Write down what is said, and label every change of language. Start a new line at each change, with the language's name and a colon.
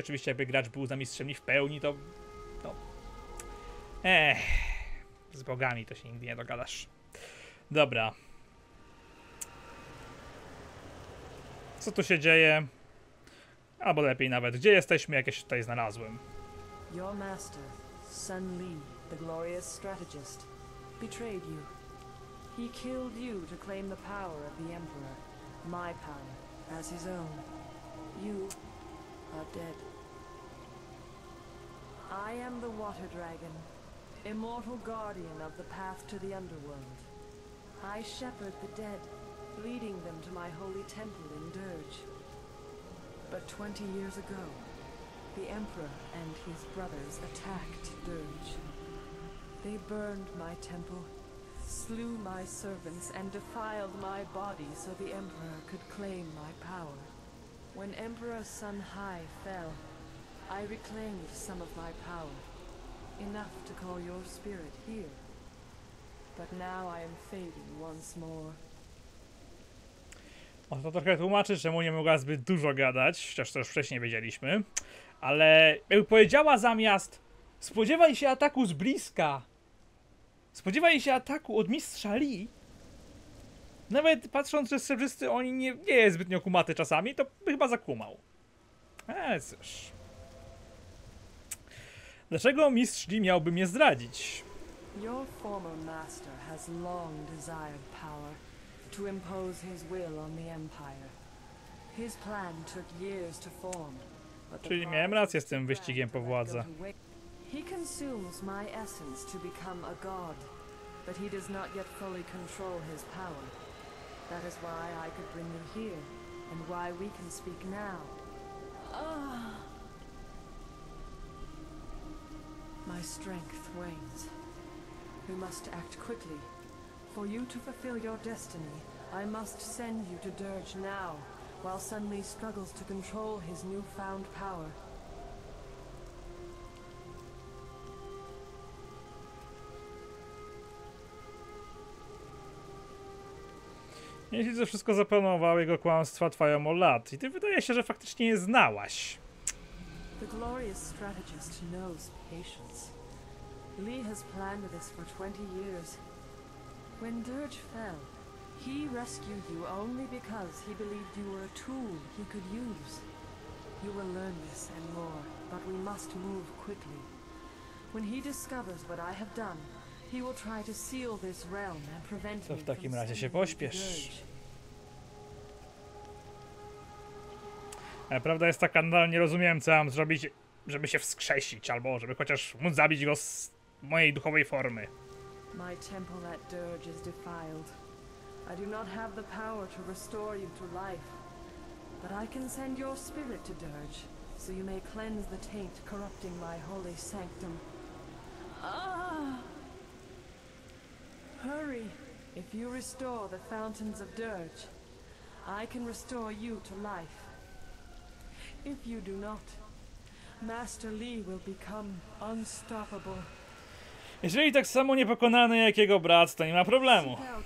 Polish: Oczywiście jakby gracz był za mistrzem Li w pełni, to... No. Z bogami to się nigdy nie dogadasz. Dobra. Co tu się dzieje? Albo lepiej nawet, gdzie jesteśmy, jak ja się tutaj znalazłem?
English: Your master, Sun Li, the glorious strategist, betrayed you. He killed you to claim the power of the Emperor, my power, as his own. You are dead. I am the Water Dragon, immortal guardian of the path to the underworld. I shepherd the dead, leading them to my holy temple in Dirge. But 20 years ago, the Emperor and his brothers attacked Dirge. They burned my temple, slew my servants, and defiled my body so the Emperor could claim my power. When Emperor Sun Hai fell, I reclaimed some of my power, enough to call your spirit here. But now I am fading once more.
Polish: On to trochę tłumaczy, czemu nie mogła zbyt dużo gadać, chociaż to już wcześniej wiedzieliśmy. Ale jakby powiedziała zamiast, spodziewaj się ataku z bliska. Spodziewaj się ataku od mistrza Li. Nawet patrząc, że srebrzysty oni nie jest zbytnio kumaty czasami, to by chyba zakumał. Cóż. Dlaczego mistrz Li miałby mnie zdradzić?
English: Your former master has long desired power. To impose his will on the Empire. His plan took years to form.
Polish: Czyli miałem rację z tym wyścigiem po władzę.
English: He consumes my essence to become a god, but he does not yet fully control his power. That is why I could bring you here, and why we can speak now. My strength wanes. We must act quickly. For you to fulfill your destiny, I must send you to Dirge now, while Sun Li struggles to control his newfound power.
Polish: Jeśli to wszystko zaplanował, jego kłamstwa trwają o lat i ty wydaje się, że faktycznie je znałaś.
English: The glorious strategist knows patience. Li has planned this for 20 years. When Dirge fell, He rescued you only because he believed you were a tool he could use. You will learn this and more, but we must move quickly. When he discovers what I have done, he will try to seal this realm and prevent me from staying in the Gurge.
Polish: Prawda jest taka, no nie rozumiem, co mam zrobić, żeby się wskrzesić, albo żeby chociaż móc zabić go z mojej duchowej formy.
English: My temple at Dirge is defiled. I do not have the power to restore you to life. But I can send your spirit to Dirge, so you may cleanse the taint corrupting my holy sanctum. Ah! Hurry, if you restore the fountains of Dirge, I can restore you to life. If you do not, Master Lee will become unstoppable.
Polish: Jeżeli tak samo niepokonany jak jego brat, to nie ma problemu.